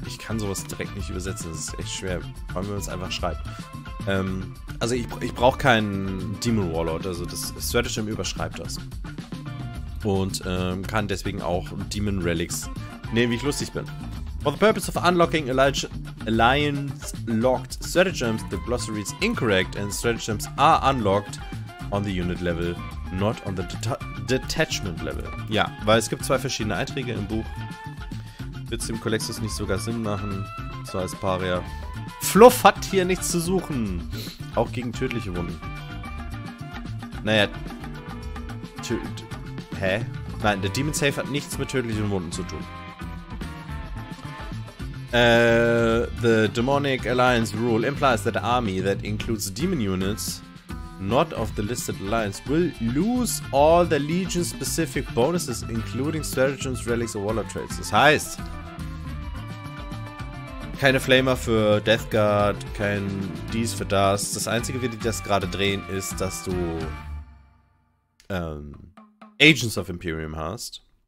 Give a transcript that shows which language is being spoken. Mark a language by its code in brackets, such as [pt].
[de] Ich kann sowas direkt nicht übersetzen, das ist echt schwer. Wollen wir uns einfach schreiben. Also ich brauche keinen Demon Warlord, also das Stratagem überschreibt das. Und kann deswegen auch Demon Relics nehmen, wie ich lustig bin. [en] For the purpose of unlocking Alliance locked Stratagems, the glossary is incorrect and Stratagems are unlocked on the unit level, not on the detachment level. [de] Ja, weil es gibt zwei verschiedene Einträge im Buch. Wird es dem Colexus nicht sogar Sinn machen, so als Paria. Fluff hat hier nichts zu suchen. Auch gegen tödliche Wunden. Naja. Hä? Nein, der Demon Save hat nichts mit tödlichen Wunden zu tun. [en] The Demonic Alliance Rule implies that an army that includes demon units not of the listed alliance will lose all the legion specific bonuses, including stratagems, relics or warlord traits. [de] Das heißt, keine Flamer für Death Guard, kein dies für das. Das einzige, wie die das gerade drehen, ist, dass du Agents of Imperium hast.